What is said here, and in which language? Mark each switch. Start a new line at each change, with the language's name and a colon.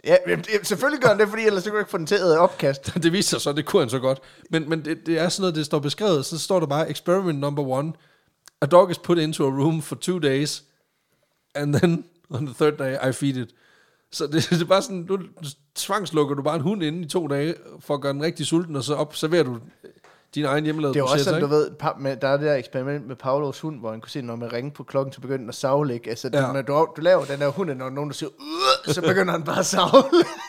Danish: Ja, selvfølgelig gør han det, fordi ellers kunne jeg ikke få den tæet opkast. Det viser sig så, det kunne han så godt. Men det er sådan noget, det står beskrevet. Så står der bare,
English: experiment number one. A dog is put into a room for 2 days. And then on the third day, I feed it.
Danish: Så det er bare sådan, du tvangslukker du bare en hund inde i 2 dage, for at gøre den rigtig sulten, og så observerer du din egen hjemmelavede proces. Det er også sådan, ikke? Du ved, der er det der eksperiment med Pavlovs hund, hvor han kunne se, når man ringer på klokken, så begynder den at savle, ikke? Altså, ja. Når du laver den der hund, når nogen der siger, så begynder han bare at savle.